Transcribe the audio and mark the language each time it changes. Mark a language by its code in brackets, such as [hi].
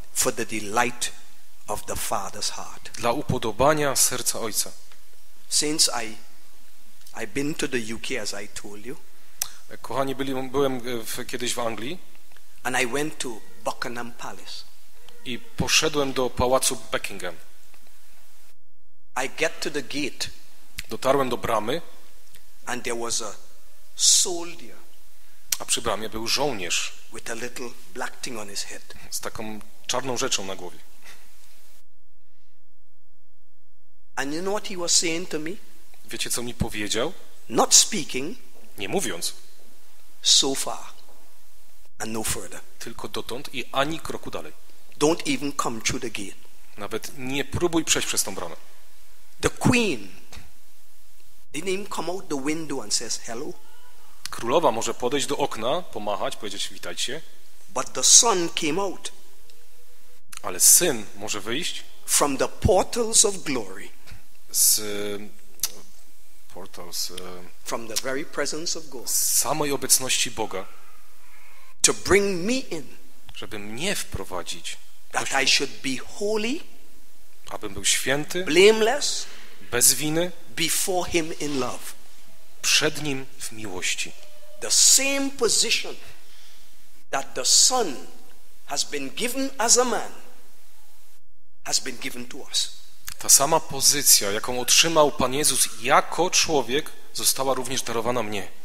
[en] For the delight of the Father's heart. [pl] Dla upodobania serca Ojca. [en] Since I've been to the UK, as I told you. [pl] Kochani, byłem kiedyś w Anglii. [en] And I went to Buckingham Palace. [pl] I poszedłem do pałacu Buckingham. [en] I get to the gate. [pl] Dotarłem do bramy. [en] And there was a soldier. [pl] A przy bramie był żołnierz. [en] With a little black thing on his head. [pl] Z taką czarną rzeczą na głowie. [en] And you know what he was saying to me? [pl] Wiecie, co mi powiedział? [en] Not speaking. [pl] Nie mówiąc. [en] So far. And no further. [pl] Tylko dotąd i ani kroku dalej. [en] Don't even come through the gate. [pl] Nawet nie próbuj przejść przez tą bramę. [en] The queen didn't even come out the window and says hello. [pl] Królowa może podejść do okna, pomachać, powiedzieć witajcie. [en] But the son came out. [pl] Ale syn może wyjść. [en] From the portals of glory. [pl] Z portals. [en] From the very presence of God. [pl] Z samej obecności Boga. [en] To bring me in, [pl] żeby mnie wprowadzić, [en] that I should be holy, [pl] abym był święty, [en] blameless, [pl] bez winy, [en] before him in love, [pl] przed nim w miłości. [en] The same position that the Son has been given as a man has been given to us. [pl] Ta sama pozycja, jaką otrzymał Pan Jezus jako człowiek, została również darowana mnie.